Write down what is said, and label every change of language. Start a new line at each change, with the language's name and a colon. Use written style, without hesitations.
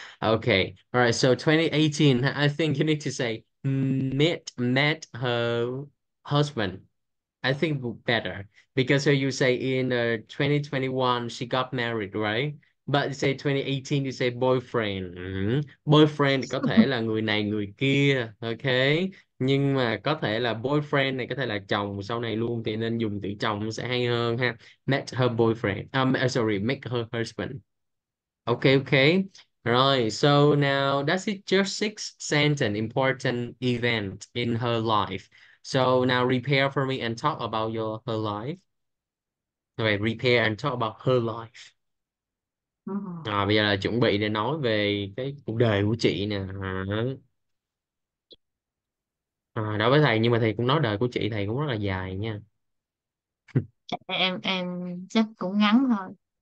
English: Okay, all right, so 2018, I think you need to say met her husband. I think better because so you say in 2021 she got married, right? But say 2018 you say boyfriend.
Vietnamese: Boyfriend có thể là người này người kia, ok, nhưng mà có thể là boyfriend này có thể là chồng sau này luôn, thì nên dùng từ chồng sẽ hay hơn ha.
English: Met her boyfriend, make her husband. Ok, right, so now that's it, just six sentence important event in her life. So now repair for me and talk about her life. Okay, repair and talk about her life.
Vietnamese: Bây giờ là chuẩn bị để nói về cái cuộc đời của chị nè. Đối với thầy, nhưng mà thầy cũng nói đời của chị thầy cũng rất là dài nha. Em chắc cũng ngắn thôi.